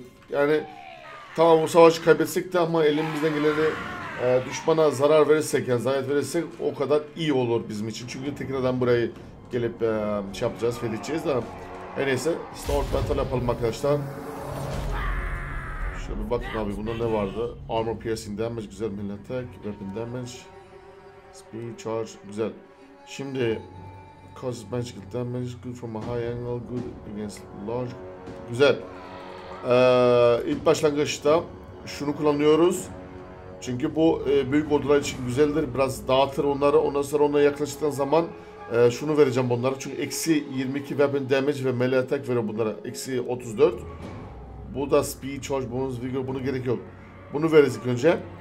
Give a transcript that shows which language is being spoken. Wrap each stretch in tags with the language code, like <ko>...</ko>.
<tr>Yani tamam, bu savaşı kaybetsek de ama elimizden geleni düşmana zarar verirsek, yani zayiat verirsek o kadar iyi olur bizim için. Çünkü tekrardan burayı gelip şey yapacağız, fethedeceğiz de. Neyse,</tr> <en>start battle</en> <tr>yapalım arkadaşlar. Şöyle bir bakın abi, bunda ne vardı?</tr> <en>Armor piercing damage,</en> <tr>güzel.</tr> <en>Melee attack, weapon damage, speed charge,</en> <tr>güzel. Şimdi</tr> <en>causes magical damage, good from a high angle, good against large,</en> <tr>güzel. İlk başlangıçta şunu kullanıyoruz. Çünkü bu büyük ordular için güzeldir. Biraz dağıtır onları. Ondan sonra onlara yaklaştığın zaman şunu vereceğim bunlara. Çünkü eksi 22 weapon damage ve melee attack veriyor bunlara. Eksi 34. Bu da speed, charge, bonus, vigor, bunu gerek yok. Bunu veririz ilk önce.</tr>